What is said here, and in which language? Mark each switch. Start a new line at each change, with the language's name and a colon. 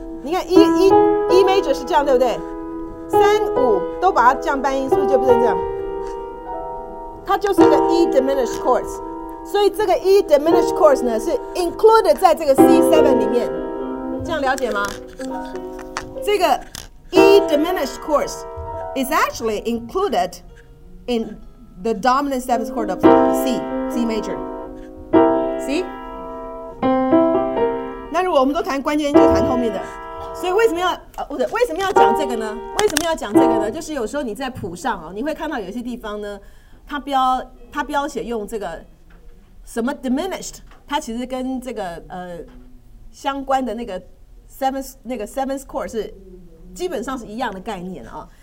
Chinese: 你看E major 是这样，对不对？三五都把它这样搬音，是不是就变成这样？它就是一个 E diminished chords， 所以这个 E diminished chords 呢是 included 在这个 C7 里面，这样了解吗？这个
English: E diminished chords is actually included in the dominant seventh chord of C major， see？
Chinese: 那如果我们都弹关键音，就弹后面的。所以为什么要讲这个呢？为什么要讲这个呢？就是有时候你在谱上哦，你会看到有些地方呢，它标写用这个什么 diminished， 它其实跟这个相关的那个 seventh chord 是基本上是一样的概念啊。